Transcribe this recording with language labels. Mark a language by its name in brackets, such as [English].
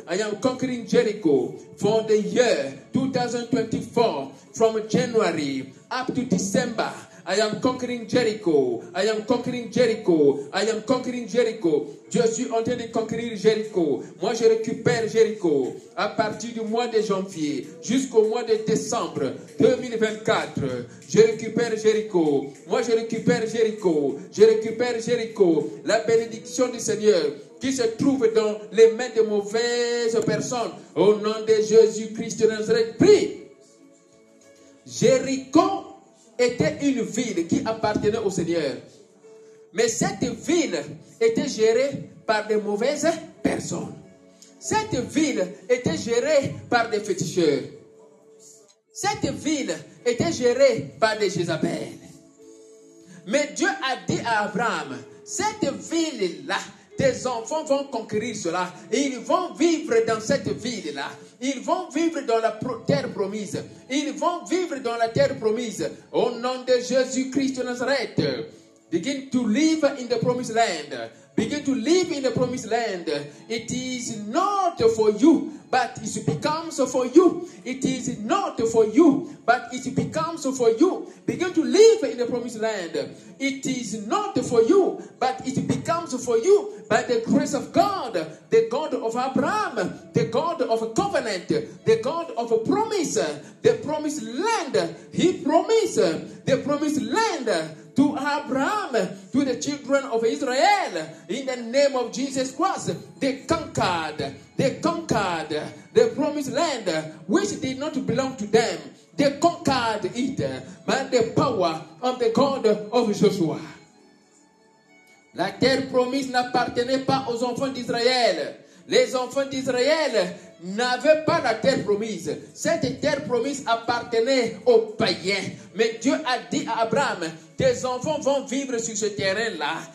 [English] I am conquering Jericho for the year 2024, from January up to December. I am conquering Jericho. I am conquering Jericho. I am conquering Jericho. [French] Je suis en train de conquérir Jericho. Moi, je récupère Jericho. À partir du mois de janvier jusqu'au mois de décembre 2024, je récupère Jericho. Moi, je récupère Jericho. Je récupère Jericho. La bénédiction du Seigneur qui se trouve dans les mains de mauvaises personnes. Au nom de Jésus-Christ de Nazareth, prie. Jericho était une ville qui appartenait au Seigneur. Mais cette ville était gérée par des mauvaises personnes. Cette ville était gérée par des féticheurs. Cette ville était gérée par des Jézabel. Mais Dieu a dit à Abraham, cette ville-là, tes enfants vont conquérir cela. Ils vont vivre dans cette ville-là. Ils vont vivre dans la terre promise. Ils vont vivre dans la terre promise. Au nom de Jésus-Christ de Nazareth. [English] Begin to live in the promised land. Begin to live in the promised land. It is not for you, but it becomes for you. It is not for you, but it becomes for you. Begin to live in the promised land. It is not for you, but it becomes for you. By the grace of God, the God of Abraham, the God of covenant, the God of promise, the promised land. He promised the promised land to Abraham, to the children of Israel, in the name of Jesus Christ, they conquered the promised land, which did not belong to them. They conquered it by the power of the God of Joshua. [French] La terre promise n'appartenait pas aux enfants d'Israël. Les enfants d'Israël n'avaient pas la terre promise. Cette terre promise appartenait aux païens. Mais Dieu a dit à Abraham, tes enfants vont vivre sur ce terrain-là.